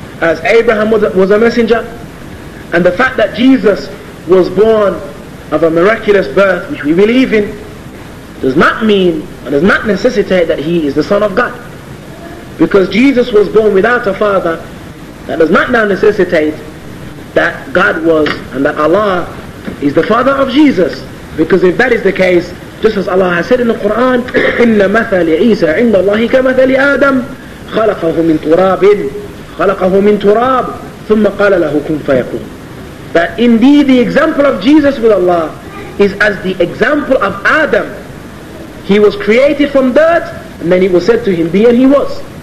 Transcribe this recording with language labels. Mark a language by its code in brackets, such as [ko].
[en] as Abraham was a messenger, and the fact that Jesus was born of a miraculous birth, which we believe in, does not mean and does not necessitate that he is the Son of God. Because Jesus was born without a father, that does not now necessitate that God was and that Allah is the father of Jesus. [ar] Because if that is the case, just as Allah has said in the Quran, إِنَّ مَثَلِ عِيسَى عِنَّ اللَّهِ كَمَثَلِ آدَمٍ خَلَقَهُ مِنْ تُرَابٍ خَلَقَهُ مِنْ تُرَابٍ ثُمَّ قَالَ لَهُ كُنْ فَيَكُونَ. [en] That indeed the example of Jesus with Allah is as the example of Adam. He was created from dirt, and then it was said to him, be, and he was.